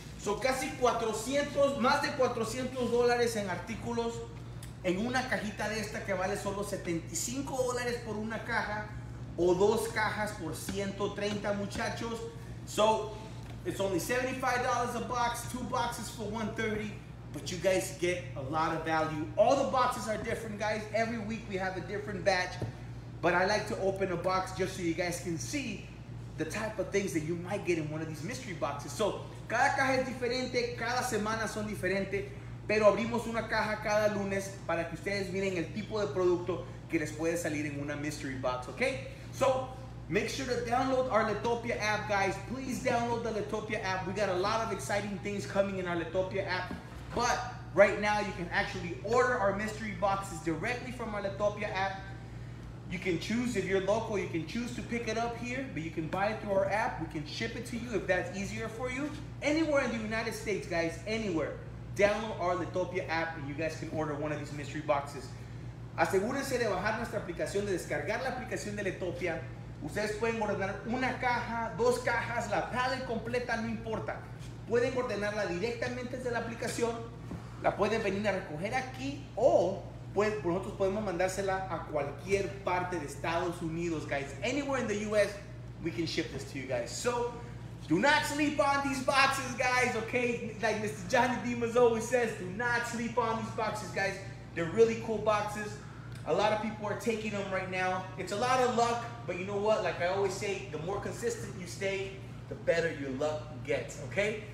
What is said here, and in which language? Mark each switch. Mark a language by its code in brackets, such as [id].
[es] So casi $400 en artículos en una cajita de esta que vale solo $75 por una caja o dos cajas por $130, muchachos. [en] So it's only $75 a box, two boxes for $130, but you guys get a lot of value. All the boxes are different, guys. Every week we have a different batch, but I like to open a box just so you guys can see the type of things that you might get in one of these mystery boxes. [es] So cada caja es diferente, cada semana son diferentes, pero abrimos una caja cada lunes para que ustedes miren el tipo de producto que les puede salir en una mystery box, okay? [en] So, make sure to download our Letopia app, guys. Please download the Letopia app. We got a lot of exciting things coming in our Letopia app, but right now you can actually order our mystery boxes directly from our Letopia app. You can choose, if you're local, you can choose to pick it up here, but you can buy it through our app. We can ship it to you if that's easier for you. Anywhere in the United States, guys, anywhere. Download our Letopia app and you guys can order one of these mystery boxes. [es] Asegúrense de bajar nuestra aplicación, de descargar la aplicación de Letopia. Ustedes pueden ordenar una caja, dos cajas, la pallet completa, no importa. Pueden ordenarla directamente desde la aplicación. La pueden venir a recoger aquí o... pues nosotros podemos mandársela a cualquier parte de Estados Unidos, guys. [en] Anywhere in the U.S., we can ship this to you guys. So, do not sleep on these boxes, guys, okay? Like Mr. Johnny Dimas always says, do not sleep on these boxes, guys. They're really cool boxes. A lot of people are taking them right now. It's a lot of luck, but you know what? Like I always say, the more consistent you stay, the better your luck gets, okay?